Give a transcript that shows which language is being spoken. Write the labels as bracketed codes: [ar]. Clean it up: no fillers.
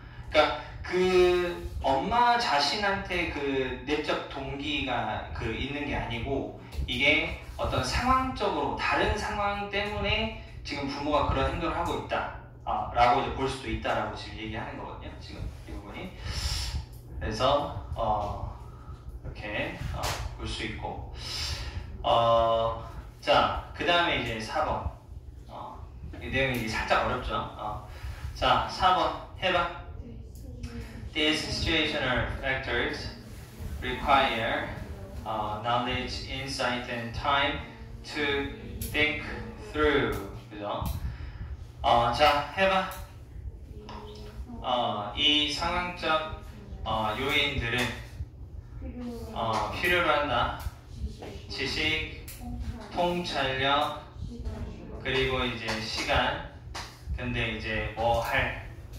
[ko] 그러니까 그 엄마 자신한테 그 내적 동기가 그 있는 게 아니고 이게 어떤 상황적으로 다른 상황 때문에 지금 부모가 그런 행동을 하고 있다 라고 이제 볼 수도 있다라고 지금 얘기하는 거거든요. 지금 이 부분이. 그래서 이렇게 볼 수 있고 자 그 다음에 이제 4번 이 내용이 이제 살짝 어렵죠. 자 4번 해봐. [en] These situational factors require knowledge, insight, and time to think through. [ko] 그죠? 자, 해봐. 이 상황적 요인들은 필요로 한다. 지식, 통찰력, 그리고 이제 시간. 근데 이제 뭐 할?